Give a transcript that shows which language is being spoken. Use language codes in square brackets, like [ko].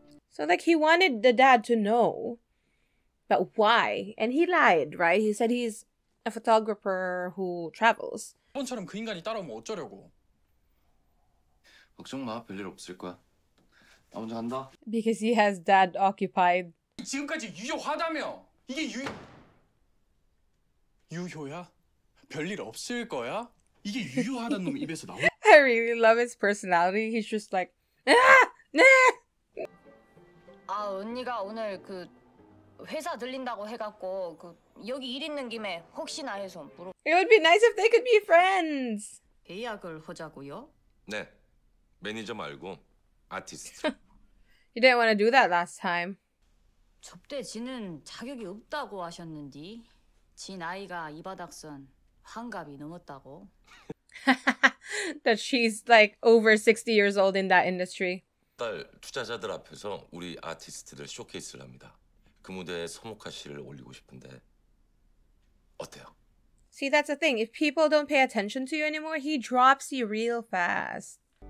[en] So like he wanted the dad to know, but why? And he lied, right? He said he's a photographer who travels. [ko] 이번처럼 그 인간이 따라오면 어쩌려고? 걱정 마, 별일 없을 거야. 나 먼저 간다. [en] Because he has dad occupied. [ko] 지금까지 유효하다며! 이게 유효야? 별일 없을 거야? 이게 유효하단 놈 입에서 나와? [en] I really love his personality. He's just like, 네! [ko] 아, 언니가 오늘 그 회사 들린다고 해갖고 그 여기 일 있는 김에 혹시나 해서 물어. [en] It would be nice if they could be friends. [ko] 계약을 하자고요? 네. 매니저 말고 아티스트. [en] You didn't want to do that last time. [ko] 접대 진은 자격이 없다고 하셨는디. 진 아이가 이 바닥선 환갑이 넘었다고. [en] That she's like over 60 years old in that industry. [ko] 딸 투자자들 앞에서 우리 아티스트들 쇼케이스를 합니다. 그 무대에 서목하 씨를 올리고 싶은데 어때요? [en] See, that's the thing. If people don't pay attention to you anymore, he drops you real fast.